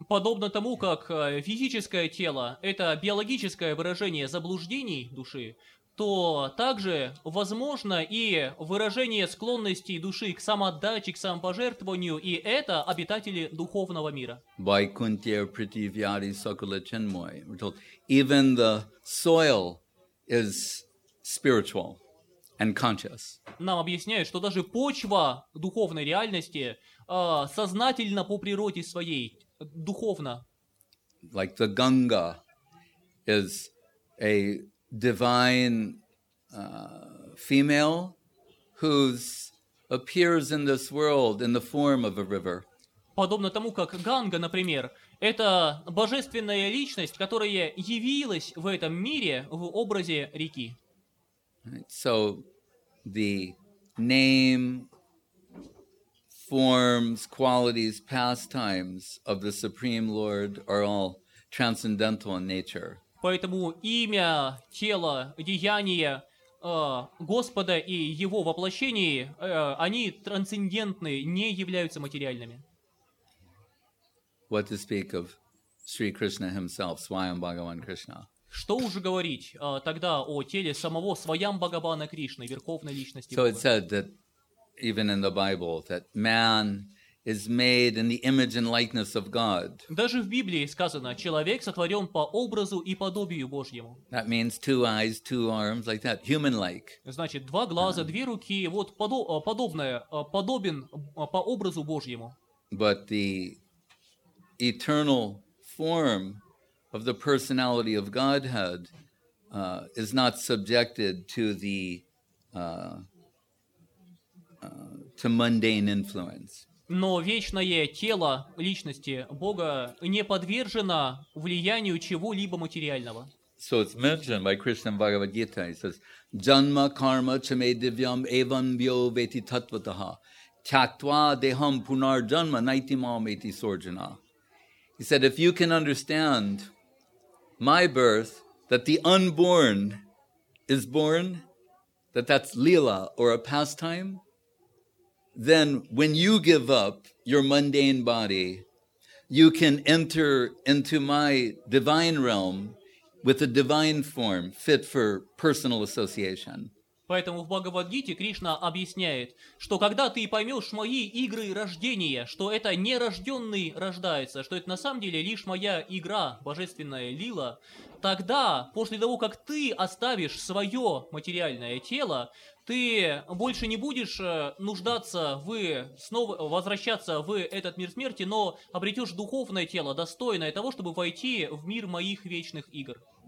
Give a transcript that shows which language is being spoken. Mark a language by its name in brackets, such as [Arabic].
[Russian] Подобно тому, как физическое тело — это биологическое выражение заблуждений души, то также возможно и выражение склонностей души к самоотдаче, к самопожертвованию, и это обитатели духовного мира. [Bangla] Vaikunthe prithivyari sakala chinmoy. [English] We're told even the soil is spiritual and conscious. [Russian] Нам объясняют, что даже почва духовной реальности сознательно по природе своей, духовно. [English] Like the Ganga is a divine female who appears in this world in the form of a river. [Russian] Подобно тому, как Ганга, например, это божественная личность, которая явилась в этом мире в образе реки. [English] Right. So, the name, forms, qualities, pastimes of the Supreme Lord are all transcendental in nature. [Russian] Поэтому имя, тело, деяния Господа и Его воплощение, они трансцендентны, не являются материальными. [English] What to speak of Sri Krishna himself, Swayam Bhagavan Krishna? [Russian] Что уже говорить тогда о теле самого Свайам Бхагавана Кришны, Верховной Личности Бога? [English] So it said that even in the Bible, that man is made in the image and likeness of God. [Russian] Даже в Библии сказано, человек сотворен по образу и подобию Божьему. [English] That means two eyes, two arms, like that, human-like. [Russian] Значит, два глаза, две руки, вот подобное, подобен по образу Божьему. [English] But the eternal form of the personality of Godhead is not subjected to the to mundane influence. [Russian] Но вечное тело личности Бога не подвержено влиянию чего-либо материального. [English] So it's mentioned by Krishna Bhagavad Gita. He says, [Sanskrit] "Janma karma chame divyam evam vyo veti tatvataha chaktva deham punar janma naiti mam eti sorjana." [English] He said, "If you can understand my birth, that the unborn is born, that that's lila or a pastime, then when you give up your mundane body, you can enter into my divine realm with a divine form fit for personal association." [Russian] Поэтому в Бхагавад-гите Кришна объясняет, что когда ты поймешь мои игры рождения, что это нерожденный рождается, что это на самом деле лишь моя игра, божественная лила, тогда, после того, как ты оставишь свое материальное тело, ты больше не будешь нуждаться в снова возвращаться в этот мир смерти, но обретешь духовное тело, достойное того, чтобы войти в мир моих вечных игр.